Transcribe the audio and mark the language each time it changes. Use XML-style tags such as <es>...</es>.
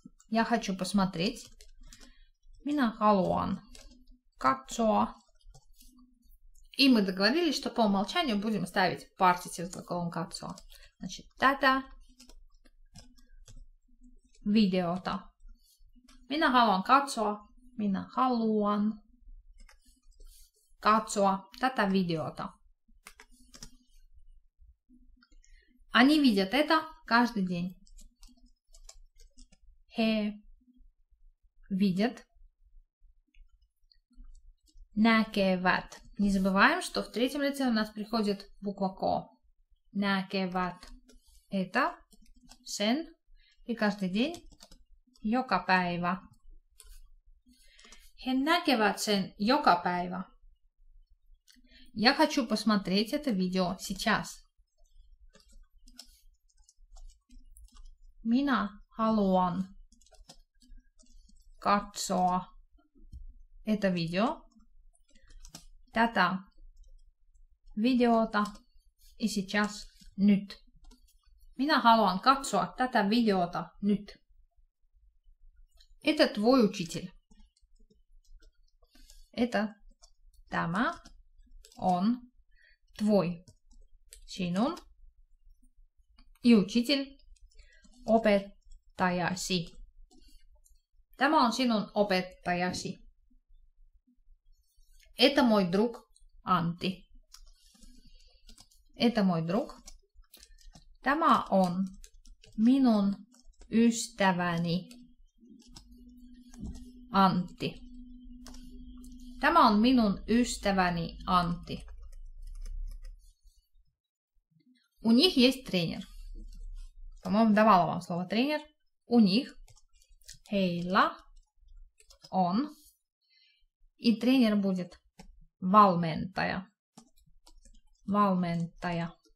<ru>Я хочу посмотреть.</ru> <fi>Minä haluan katsoa.</fi> <ru>И мы договорились, что по умолчанию будем ставить партитив с глаголом katsoa. Значит,</ru> <fi>tätä видеота. Minä haluan katsoa. Minä haluan katsoa tätä videota.</fi> <ru>Они видят это каждый день. He видят.</ru> <fi>Näkevät.</fi> <ru>Не забываем, что в третьем лице у нас приходит буква ко.</ru> <fi>Näkevät.</fi> <ru>Это sen. И каждый день.</ru> <fi>Joka päivä. He näkevät sen joka päivä.</fi> <ru>Я хочу посмотреть это видео сейчас.</ru> <fi>Minä haluan katsoa</fi> <ru>это видео,</ru> <fi>tätä videota</fi> <ru>и сейчас</ru> <fi>nyt. Minä haluan katsoa tätä videota nyt.</fi> <ru>Это твой учитель. Это</ru> <fi>tämä on</fi> <ru>твой. Sinun и учитель.</ru> <fi>Opettajasi. Tämä on sinun opettajasi.</fi> <ru>Это мой друг Antti. Это мой друг.</ru> <fi>Tämä on minun ystäväni Antti. Tämä on minun ystäväni Antti.</fi> <ru>У них есть тренер. По-моему, давала вам слово тренер. У них. Heillä. Он. И тренер будет. Valmentaja. Valmentaja.</ru>